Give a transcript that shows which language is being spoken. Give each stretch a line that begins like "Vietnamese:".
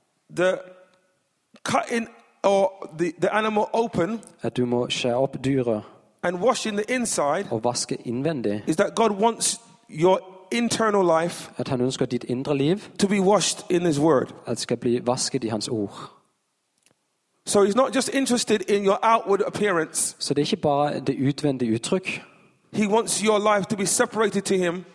English: The cutting or the animal open.
Norwegian: At du må skjære opp dyret.
English: And washing the inside.
Norwegian: Og vaske innvendig.
English: Is that God wants your internal life
Norwegian: at han ønsker dit indre liv
English: to be washed in his word
Norwegian: at skal bli vasket i hans ord.
English: So he's not just interested in your outward appearance
Norwegian: så det er ikke bare det utvendige uttrykk.
English: He wants your life to be separated to him